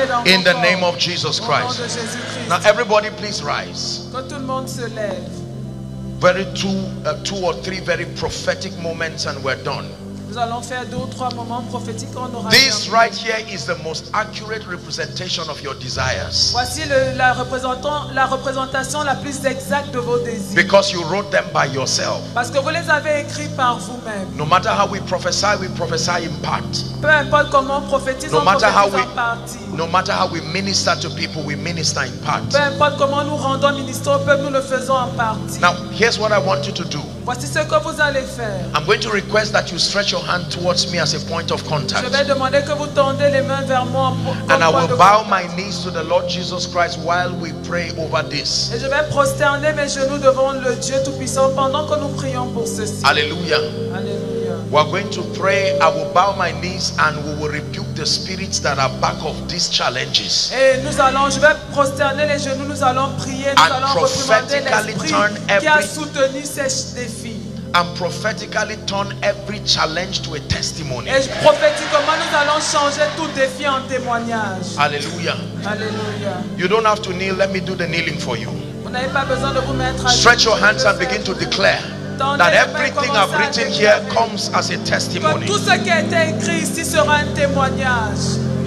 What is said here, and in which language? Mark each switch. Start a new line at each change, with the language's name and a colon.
English: In the name of Jesus Christ. Now everybody please rise. Very two or three very prophetic moments and we're done. This right here is the most accurate representation of your desires.
French: Voici la représentation la plus exacte de vos désirs.
English: Because you wrote them by yourself.
French: Parce que vous les avez écrits par vous-même.
English: No matter how we prophesy in part.
French: Peu importe comment on prophétise, on prophétise en partie.
English: No matter how we minister to people, we minister in part.
French: Peu importe comment nous rendons ministère au peuple, nous le faisons en partie.
English: Now, here's what I want you to do.
French: Voici ce que vous allez faire.
English: I'm going to request that you stretch your hand towards me as a point of contact.
French: Je vais demander que vous tendez les mains vers moi comme point de contact.
English: And I will bow my knees to the Lord Jesus Christ while we pray over this.
French: Et je vais prosterner mes genoux devant le Dieu Tout-Puissant pendant que nous prions pour ceci.
English: Hallelujah. Hallelujah. We are going to pray. I will bow my knees and we will rebuke the spirits that are back of these challenges.
French: Et nous allons, je vais prosterner les genoux, nous allons prier, nous
English: and
French: allons
English: prophetically turn every,
French: qui a soutenu ces défis.
English: And prophetically turn every challenge to a testimony.
French: Et prophétiquement, nous allons changer tout défi en témoignage.
English: Hallelujah. Hallelujah. You don't have to kneel. Let me do the kneeling for you.
French: Vous n'avez pas besoin de vous mettre à
English: genoux. Stretch your hands and begin to declare. That everything I've written here comes as a testimony.
French: Tout ce qui a été écrit ici sera un témoignage.